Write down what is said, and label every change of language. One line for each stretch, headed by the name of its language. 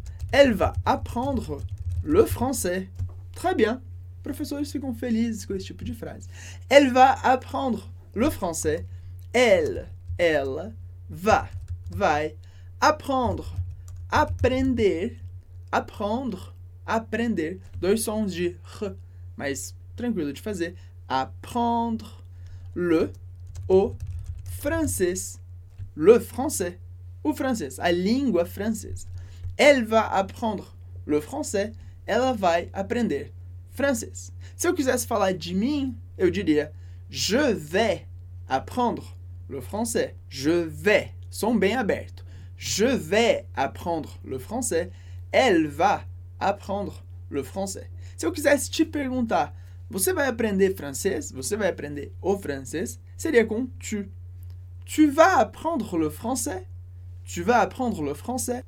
French: Elle va apprendre le français. Très bien.
Portuguese: Professores ficam felizes com esse tipo de frase.
French: Elle va apprendre le français.
Portuguese: Elle, ela, va, vai, apprendre, aprender, apprendre, aprender. Dois sons de R, mas tranquilo de fazer. Apprendre le, o, francês. Le français, o francês, a língua francesa.
French: Elle va apprendre le français,
Portuguese: ela vai aprender francês. Se eu quisesse falar de mim, eu diria
French: je vais apprendre le français. Je vais,
Portuguese: som bem aberto.
French: Je vais apprendre le français, elle va apprendre le français.
Portuguese: Se eu quisesse te perguntar, você vai aprender francês, você vai aprender o francês, seria com tu.
French: Tu vas apprendre le français? Tu vas apprendre le français?